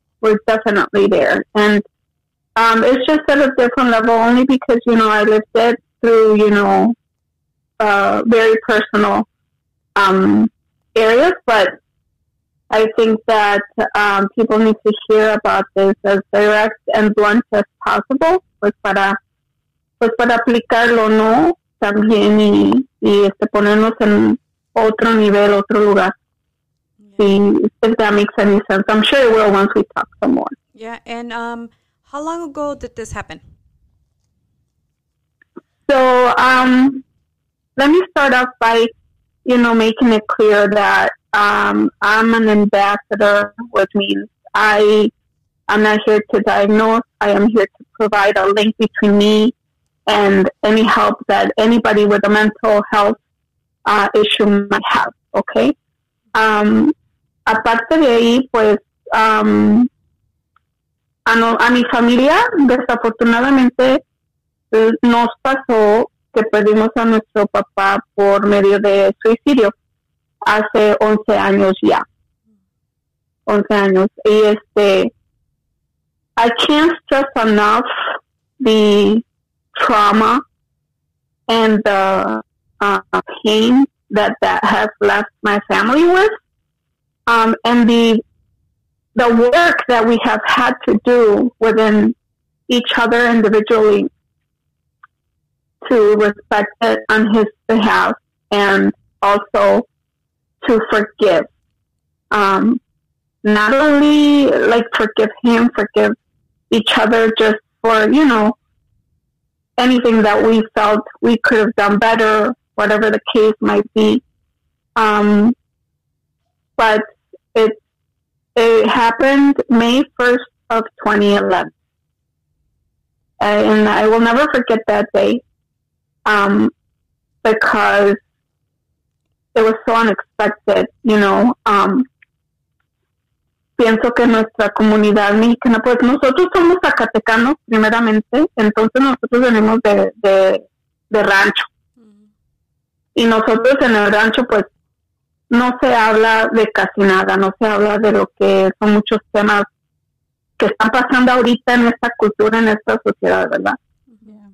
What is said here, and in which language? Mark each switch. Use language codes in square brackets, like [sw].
[en] We're definitely there. And it's just at a different level only because, you know, I lived it through, you know, very personal areas. But I think that people need to hear about this as direct and blunt as possible. [es] Pues para aplicarlo, ¿no? También y ponernos en otro nivel, otro lugar. [en] See if that makes any sense. I'm sure it will once we talk some more. Yeah, and how long ago did this happen? So let me start off by, you know, making it clear that I'm an ambassador, which means I'm not here to diagnose. I am here to provide a link between me and any help that anybody with a mental health issue might have, okay? [es] Aparte de ahí, pues, a mi familia, desafortunadamente, nos pasó que perdimos a nuestro papá por medio de suicidio hace 11 años ya. 11 años. [en] Y I can't stress enough the trauma and the pain that has left my family with, and the work that we have had to do within each other individually to respect it on his behalf and also to forgive. Not only like forgive him, forgive each other just for, you know, anything that we felt we could have done better, whatever the case might be. But it happened May 1st of 2011. And I will never forget that day, because it was so unexpected, you know. [es] Pienso que nuestra comunidad mexicana, pues nosotros somos zacatecanos primeramente, entonces nosotros venimos de rancho. Y nosotros en el rancho, pues, no se habla de casi nada, no se habla de lo que son muchos temas que están pasando ahorita en esta cultura, en esta sociedad, ¿verdad? Yeah.